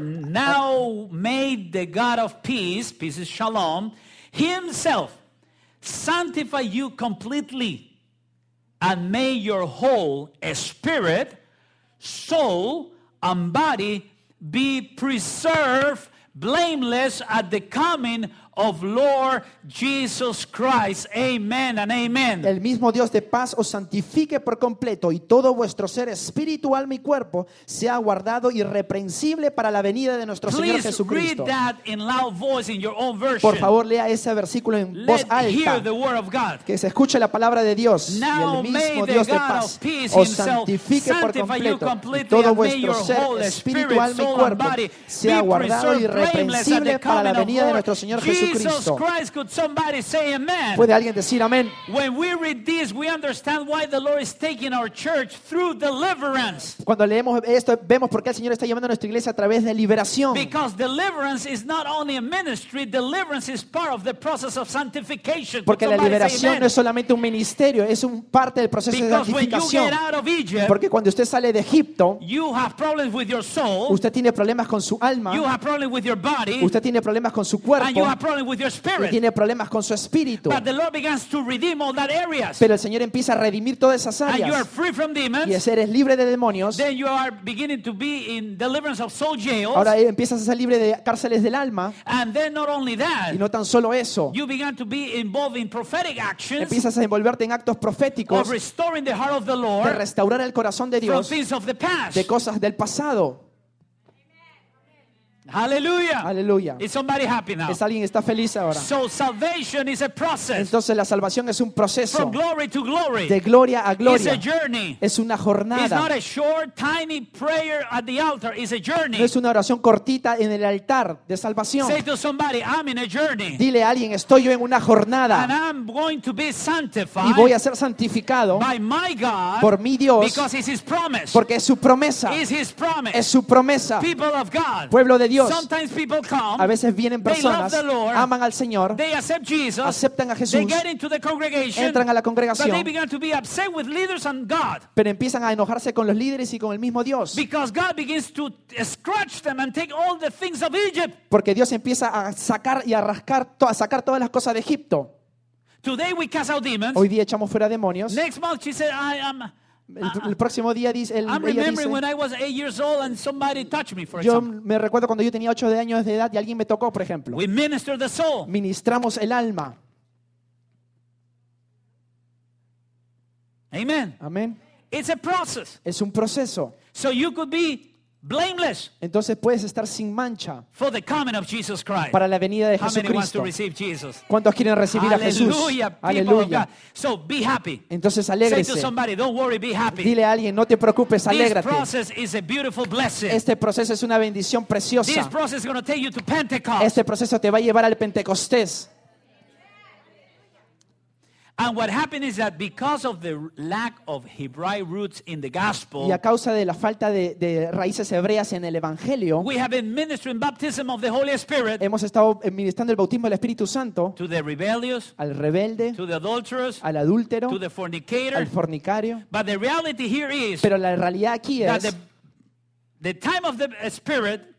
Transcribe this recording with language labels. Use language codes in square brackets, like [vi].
[en] Now may the God of peace, peace is shalom, himself sanctify you completely and may your whole spirit, soul, and body be preserved blameless at the coming of Lord Jesus Christ. Amen and amen. [es] El mismo Dios de paz os santifique por completo y todo vuestro ser, espíritu, alma y cuerpo sea guardado irreprensible para la venida de nuestro [en] Please [es] Señor Jesucristo. [en] Read that in loud voice in your own version. [es] Por favor, lea ese versículo en voz alta. [en] Let hear the word of God. [es] Que se escuche la palabra de Dios. [en] Now [es] y el mismo [en] may [es] Dios [en] the God [es] de paz [en] of peace himself [es] santifique por completo [en] you completely, [es] y todo vuestro [en] may your [es] ser, espíritu, alma y cuerpo sea guardado irreprensible para la venida de nuestro Señor Jesucristo. [en] Jesus Christ, could somebody say amen? [es] ¿Puede alguien decir amén? [en] When we read this, we understand why the Lord is taking our church through deliverance. [es] Cuando leemos esto, vemos por qué el Señor está llevando a nuestra iglesia a través de liberación. [en] Because deliverance is not only a ministry, deliverance is part of the process of sanctification. [es] Porque la liberación no es solamente un ministerio, es un parte del proceso [en] because [es] de santificación. [en] When you get out of Egypt, [es] porque cuando usted sale de Egipto, [en] you have problems with your soul, [es] usted tiene problemas con su alma, [en] you have problems with your body, [es] usted tiene problemas con su cuerpo, [en] and you have with your spirit. [es] Y tiene problemas con su espíritu. [en] But the Lord begins to redeem all that areas. [es] Pero el Señor empieza a redimir todas esas áreas. [en] And you are free from demons. [es] Y eres libre de demonios. [en] Then you are beginning to be in deliverance of soul jails. [es] Ahora empiezas a ser libre de cárceles del alma. [en] And then not only that. [es] Y no tan solo eso. [en] You begin to be involved in prophetic actions. [es] Empiezas a envolverte en actos proféticos. [en] Of restoring the heart of the Lord. [es] De restaurar el corazón de Dios. [en] From things of the past. [es] De cosas del pasado. [en] Hallelujah. [es] Hallelujah. [en] Is somebody happy now? [es] ¿Es alguien está feliz ahora? [en] So salvation is a process. [es] Entonces la salvación es un proceso. [en] From glory to glory. [es] De gloria a gloria. [en] It's a journey. [es] Es una jornada. [en] It's not a short tiny prayer at the altar. It's a journey. [es] No es una oración cortita en el altar de salvación. [en] Say to somebody, I'm in a journey. [es] Dile a alguien, estoy yo en una jornada. [en] And I'm going to be sanctified. [es] Y voy a ser santificado. [en] By my God. [es] Por mi Dios. [en] Because it's his promise. [es] Porque es su promesa. [en] It's his promise. [es] Es su promesa. [en] People of God. [es] Pueblo de Dios. Dios. [en] Sometimes people come, [es] a veces vienen personas, [en] they love the Lord, [es] aman al Señor, [en] they accept Jesus, [es] aceptan a Jesús, [en] they get into the congregation, [es] entran a la congregación, [en] but they begin to be upset with leaders and God, [es] pero empiezan a enojarse con los líderes y con el mismo Dios. [en] Because God begins to scratch them and take all the things of Egypt. [es] Porque Dios empieza a sacar y a rascar, a sacar todas las cosas de Egipto. [en] Today we cast out demons. [es] Hoy día echamos fuera demonios. [en] Next month she said, I am. [es] El próximo día dice, el, [en] I'm [es] ella [en] remembering when I was 8 years old and somebody touched me, for [es] yo [en] example. [es] Yo me recuerdo cuando yo tenía 8 de años de edad y alguien me tocó, por ejemplo. [en] We minister the soul. [es] Ministramos el alma. [en] Amen. [es] Amen. [en] It's a process. [es] Es un proceso. [en] So you could be blameless. [es] Entonces puedes estar sin mancha. [en] For the coming of Jesus Christ. [es] Para la venida de Jesucristo. [en] How many wants to receive Jesus? [es] ¿Cuántos quieren recibir a Jesús? [en] Aleluya. So be happy. [es] Entonces alégrese. [en] Say to somebody, don't worry, be happy. [es] Dile a alguien, no te preocupes, alégrate. [en] This process is a beautiful blessing. [es] Este proceso es una bendición preciosa. [en] This process is going to take you to Pentecost. [es] Este proceso te va a llevar al Pentecostés. [en] And what happened is that because of the lack of Hebraic roots in the gospel, [es] y a causa de la falta de raíces hebreas en el evangelio, [en] we have been ministering baptism of the Holy Spirit, [es] hemos estado ministrando el bautismo del Espíritu Santo, [en] to the rebellious, [es] al rebelde, [en] to the adulterous, [es] al adúltero, [en] to the fornicator, [es] al fornicario. [en] But the reality here is, [es] pero la realidad aquí es, [en] the time of the Spirit,